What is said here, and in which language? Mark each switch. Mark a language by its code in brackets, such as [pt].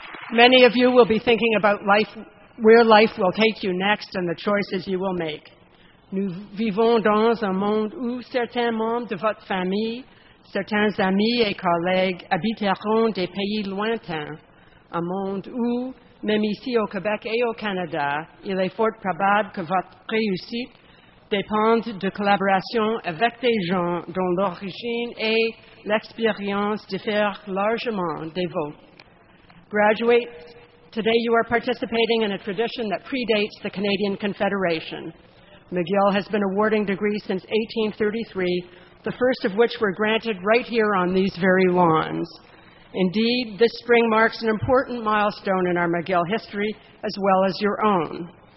[en] Many of you will be thinking about life, where life will take you next and the choices you will make. [fr] Nous vivons dans un monde où certains membres de votre famille, certains amis et collègues habiteront des pays lointains, un monde où, même ici au Québec et au Canada, il est fort probable que votre réussite dépende de collaboration avec des gens dont l'origine et l'expérience diffèrent largement des vôtres. [en] Graduates, today you are participating in a tradition that predates the Canadian Confederation. McGill has been awarding degrees since 1833, the first of which were granted right here on these very lawns. Indeed, this spring marks an important milestone in our McGill history, as well as your own.